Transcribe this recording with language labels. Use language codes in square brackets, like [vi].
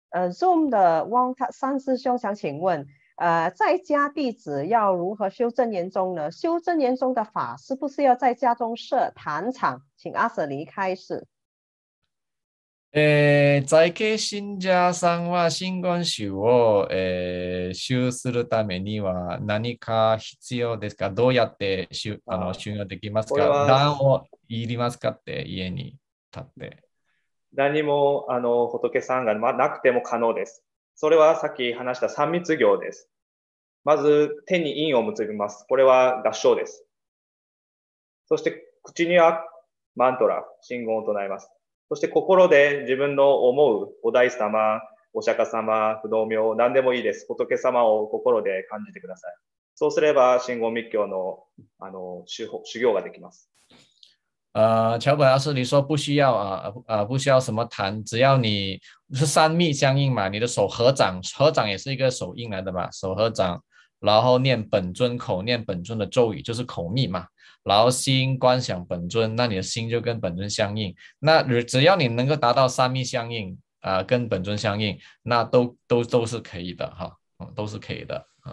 [zh] Zoom 的汪三师兄想请问，在家弟子要如何修真言宗呢？修真言宗的法是不是要在家中设坛场？请阿舍离开始。 [ja] 在家信者さんは真言宗を、修するためには何か必要ですか？どうやって修行できますか？壇をいりますかって家に立って。何も仏さんがなくても可能です。それはさっき話した三密行です。まず手に印を結びます。これは合掌です。そして口にはマントラ、真言を唱えます。そして心で自分の思うお大師様、お釈迦様、不動明、何でもいいです。仏様を心で感じてください。そうすれば真言密教の修行ができます。 [zh] 乔本阿师你说不需要不需要什么坛，只要你是三密相应嘛，你的手合掌，合掌也是一个手印来的嘛，手合掌，然后念本尊口念本尊的咒语，就是口密嘛，然后心观想本尊，那你的心就跟本尊相应，那只要你能够达到三密相应跟本尊相应，那都是可以的哈，都是可以的。